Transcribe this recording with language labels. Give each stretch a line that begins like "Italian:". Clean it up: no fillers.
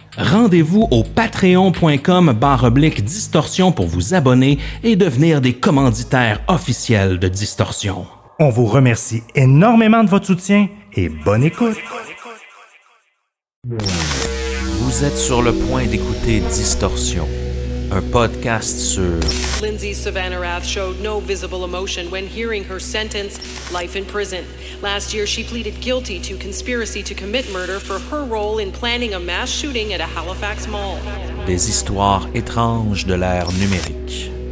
French: Rendez-vous au patreon.com/distorsion pour vous abonner et devenir des commanditaires officiels de Distorsion. On vous remercie énormément de votre soutien et bonne écoute. Vous êtes sur le point d'écouter Distorsion, un podcast sur
English: Lindsay Savannah Rath showed no visible emotion when hearing her sentence, life in prison. Last year, she pleaded guilty to conspiracy to commit murder for her role in planning a mass shooting at a Halifax mall.
French: Des histoires étranges de l'ère numérique.